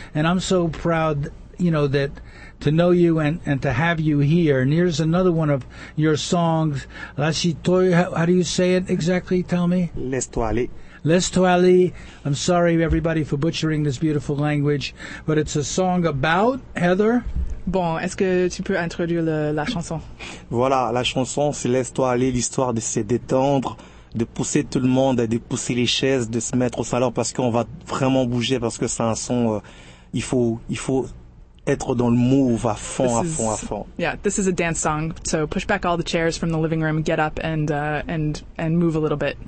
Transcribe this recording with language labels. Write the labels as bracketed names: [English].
[English] And I'm so proud, you know, that to know you and to have you here. And here's another one of your songs. How do you say it exactly? Tell me. [French] L'Estoile. L'Estoile. [English] I'm sorry, everybody, for butchering this beautiful language. But it's a song about Heather. [French] Bon, est-ce que tu peux introduire la chanson? Voilà, la chanson, c'est L'Estoile, l'histoire de se détendre, de pousser tout le monde, de pousser les chaises, de se mettre au salon parce qu'on va vraiment bouger, parce que c'est un son, il faut être dans le move à fond. [English] Yeah, this is a dance song, so push back all the chairs from the living room, get up and move a little bit.